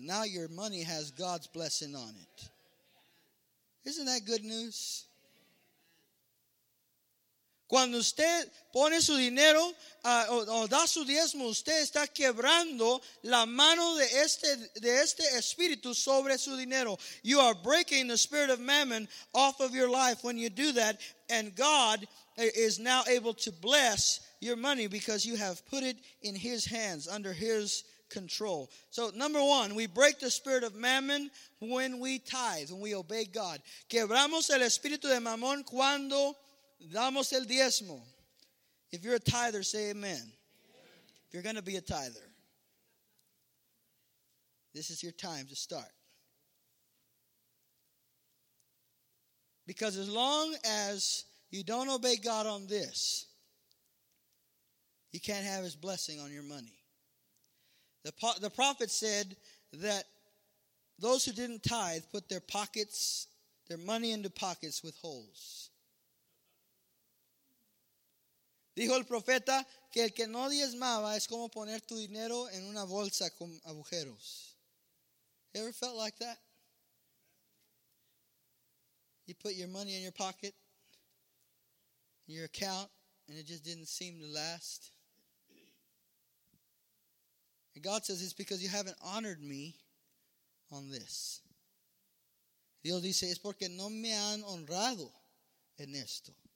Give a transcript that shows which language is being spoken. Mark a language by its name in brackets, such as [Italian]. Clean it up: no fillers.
[English] Now your money has God's blessing on it. Isn't that good news? [Spanish] Cuando usted pone su dinero o da su diezmo, usted está quebrando la mano de este espíritu sobre su dinero. [English] You are breaking the spirit of mammon off of your life when you do that, and God is now able to bless your money because you have put it in his hands, under his control. So number one, we break the spirit of mammon when we tithe, when we obey God. [Spanish] Quebramos el espíritu de mamón cuando damos el diezmo. [English] If you're a tither, say amen. Amen. If you're going to be a tither, this is your time to start. Because as long as you don't obey God on this, you can't have his blessing on your money. The prophet said that those who didn't tithe put their pockets, their money into pockets with holes. [Spanish] Dijo el profeta que el que no diezmaba es como poner tu dinero en una bolsa con agujeros. [English] Ever felt like that? You put your money in your pocket, in your account, and it just didn't seem to last. And God says, it's because you haven't honored me on this. [Spanish] Dios dice, es porque no me han honrado en esto.